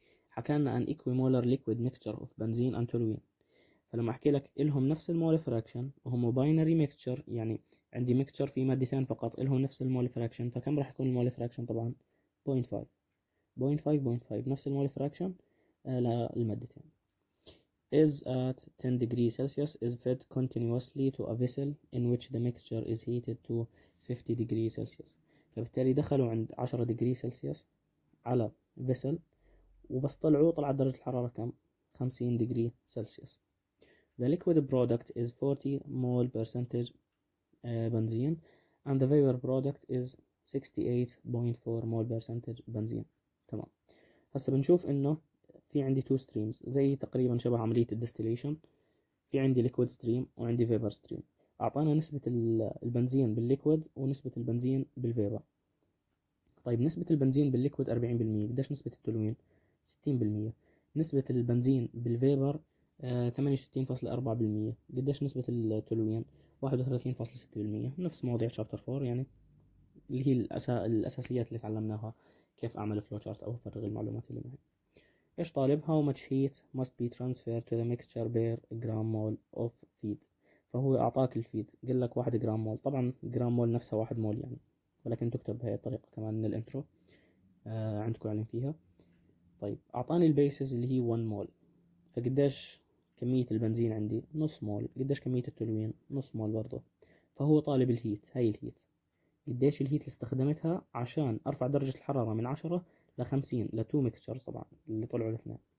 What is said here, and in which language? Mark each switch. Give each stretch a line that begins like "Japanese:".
Arabic: حكى لنا
English: an equimolar liquid mixture of benzene and toluene.
Arabic: فلما احكي لك لهم نفس المول فراكشن وهم باينري ميكتشر، يعني عندي ميكتشر في مادتين فقط لهم نفس المول فراكشن، فكم راح يكون المول فراكشن؟ طبعا 0.5 نفس المول فراكشن للمادتين.
English: is at 10 degrees celsius is fed continuously to a vessel in which the mixture is heated to 50 degrees celsius.
Arabic: فبالتالي دخلوا عند 10 degrees celsius على vessel وبس طلعوا طلعت درجه الحراره كم؟ 50 degrees celsius.
English: The liquid product is 40 mol percentage benzene and the vapor product is 68.4 mol percentage benzene.
Arabic: تمام، هسا بنشوف انه في عندي
English: two streams
Arabic: زي تقريبا شبه عملية الديستيليشن. في عندي liquid stream وعندي vapor stream. اعطانا نسبة البنزين بالليكويد ونسبة البنزين بالفيبر. طيب نسبة البنزين بالليكويد 40%، قديش نسبة التولوين؟ 60%. نسبة البنزين بالفيبر 68.4%، قديش نسبة التولوين؟ 31.6%. نفس مواضيع chapter 4 يعني، اللي هي الأساسيات اللي تعلمناها كيف أعمل flowchart أو أفرغ المعلومات اللي معي. إيش طالب؟
English: How much heat must be transferred to the mixture per gram mole of feed.
Arabic: فهو أعطاك الفيد، قل لك 1 جرام مول. طبعا جرام مول نفسها 1 مول يعني، ولكن تكتب بهاي الطريقة كمان من الانترو عندكم علم فيها. طيب أعطاني البيسز اللي هي 1 مول، فقديش كمية البنزين عندي؟ نص مول. قديش كمية التولوين؟ نص مول برضه. فهو طالب الهيت، هاي الهيت، قديش الهيت اللي استخدمتها عشان أرفع درجة الحرارة من 10 ل50 لتو ميكستشر طبعا اللي طلعوا الاثنين.